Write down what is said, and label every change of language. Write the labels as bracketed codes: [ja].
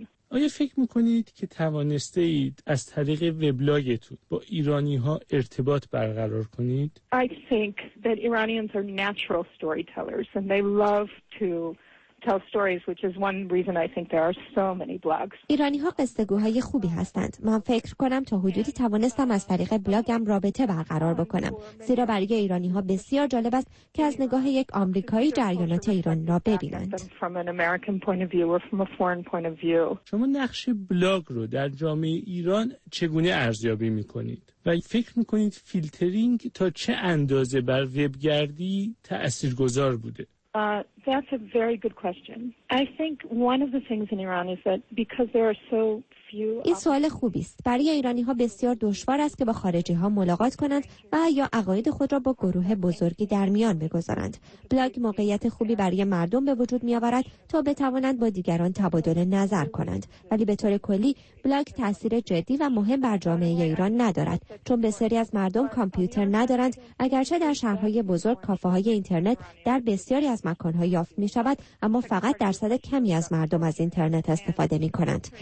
[fa] آیا فکر میکنید که توانسته اید از طریق وبلاگتون با ایرانی ها ارتباط برقرار کنید؟ [en] I think that Iranians are natural storytellers and they love to tell stories, which is one reason I think there are so many blogs. [fa] ایرانی ها قصه گوهای خوبی هستند. من فکر کنم تا حدودی توانستم از طریق بلاگم رابطه برقرار بکنم، زیرا برای ایرانی ها بسیار جالب است که از نگاه یک آمریکایی جریانات ایران را ببینند. [en] From an American point of view or from a foreign point of view. [fa] شما نقش بلاگ رو در جامعه ایران چگونه ارزیابی میکنید؟ و فکر میکنید فیلترینگ تا چه اندازه بر وبگردی تاثیرگذار بوده؟ [en] That's a very good question. I think one of the things in Iran is that because there are so few. [fa] این سوال خوبی است. برای ایرانی‌ها بسیار دشوار است که با خارجی‌ها ملاقات کنند و یا عقاید خود را با گروه بزرگی در میان بگذارند. بلاگ موقعیت خوبی برای مردم به وجود می‌آورد تا بتوانند با دیگران تبادل نظر کنند. ولی به طور کلی بلاگ تأثیر جدی و مهم بر جامعه ایران ندارد، چون بسیاری از مردم کامپیوتر ندارند، اگرچه در شهرهای بزرگ کافه‌های اینترنت در بسیاری از مکان‌ها یافت می‌شود، اما فقط درصد کمی از مردم از اینترنت استفاده می‌کنند.